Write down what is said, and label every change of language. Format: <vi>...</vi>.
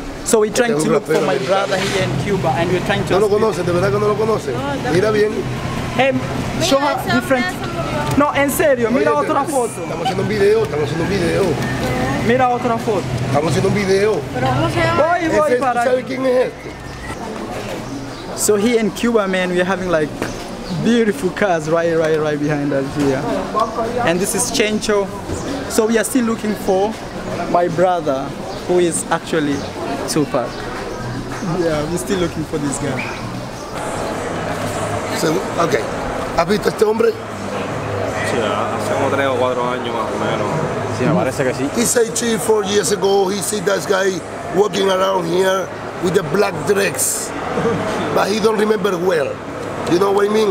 <en>So we're trying to look for my brother here in Cuba, and we're trying to.</en> <es>No lo conoce, de verdad que no lo conoce. Mira bien.</es> <en>Show her different.</en> <es>No, en serio, mira otra foto. Estamos haciendo un video, estamos haciendo un video. Mira otra foto. Estamos haciendo un video. Voy, voy para. ¿Sabes quién es este?</es> <en>So here in Cuba, man, we're having like beautiful cars right behind us here. And this is Chencho. So we are still looking for my brother, who is actually Tupac. Yeah, we're still looking for this guy. So, okay.</en> <es>¿Has visto este hombre? Sí, hace como 3 o 4 años más o menos. Sí, me parece que sí.</es> <en>He said 3 or 4 years ago, he see this guy walking around here with the black dress. But he don't remember well. You know what I mean?</en>